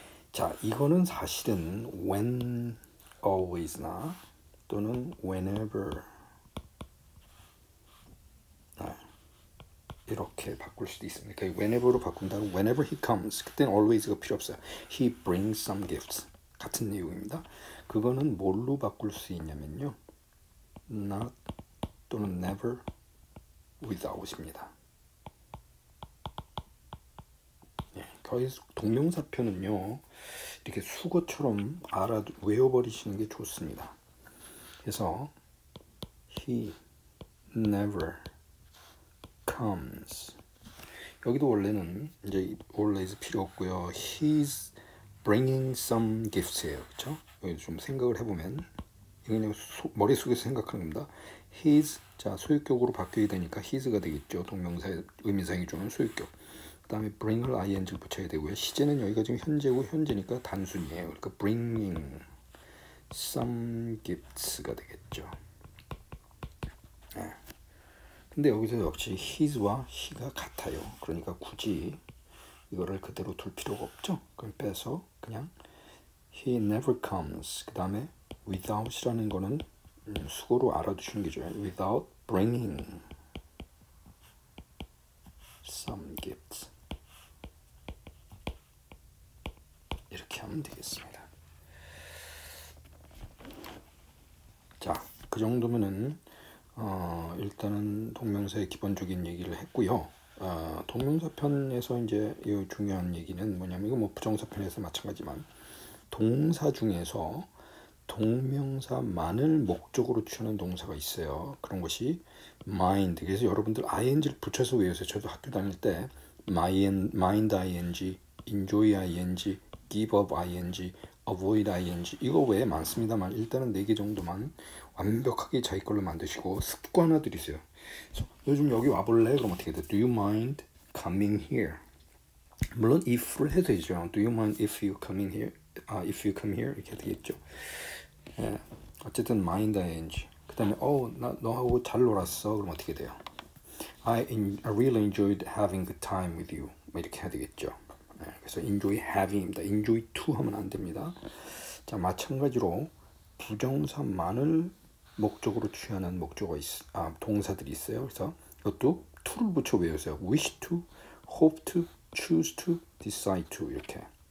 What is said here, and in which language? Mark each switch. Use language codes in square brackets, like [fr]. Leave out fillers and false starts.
[ko] 자, 이거는 사실은 when, always나 또는 whenever 이렇게 바꿀 수도 있습니다. 그 whenever로 바꾼다면 [en] whenever he comes [ko] 그때는 always가 필요 없어요. [en] He brings some gifts [ko] 같은 내용입니다. 그거는 뭘로 바꿀 수 있냐면요. not 또는 never without입니다. 예, 거의 동명사표는요. 이렇게 수거처럼 외워버리시는 게 좋습니다. 그래서 [en] he never comes [ko] 여기도 원래는 이제 always 필요 없고요. [en] he's bringing some gifts예요. [ko] 그렇죠? 여기 좀 생각을 해보면 그냥 머릿속에서 생각하는 겁니다. His 자 소유격으로 바뀌게 되니까 his가 되겠죠. 동명사 의미상이 주는 소유격. 그다음에 bring을 ing를 붙여야 되고요. 시제는 여기가 지금 현재고 현재니까 단순이에요. 그러니까 [en] bringing some gifts [ko] 가 되겠죠. 네. 근데 여기서 역시 his와 he가 같아요. 그러니까 굳이 이거를 그대로 둘 필요가 없죠. 그럼 빼서 그냥 [en] he never comes. [ko] 그 다음에 without이라는 거는 수고로 알아두시는 거죠. [en] without bringing some gifts [ko] 이렇게 하면 되겠습니다. 자, 그 정도면은 일단은 동명사의 기본적인 얘기를 했고요. 동명사편에서 이제 이 중요한 얘기는 뭐냐면 이거 뭐 부정사편에서 마찬가지지만 동사 중에서 동명사만을 목적으로 취하는 동사가 있어요. 그런 것이 mind. 그래서 여러분들 ing를 붙여서 외우세요. 저도 학교 다닐 때 mind ing, enjoy ing, give up ing, avoid ing 이거 외에 많습니다만 일단은 4개 정도만 완벽하게 자기 걸로 만드시고 습관화드리세요. 그래서 요즘 여기 와볼래? 그럼 어떻게 돼? [en] Do you mind coming here? [ko] 물론 if를 해도 되죠. [en] Do you mind if you come in here? If you come here [ko] 이렇게 되겠죠. 예. 어쨌든 mind ing. 그다음에 너하고 잘 놀았어. 그럼 어떻게 돼요? [en] I really enjoyed having a time with you. [ko] 이렇게 해야 되겠죠. 예. 그래서 enjoy having입니다. Enjoy to 하면 안 됩니다. 자, 마찬가지로 부정사만을 목적으로 취하는 동사들이 있어요. 그래서 이것도 to를 붙여 외우세요. [en] wish to, hope to, choose to, decide to 이렇게.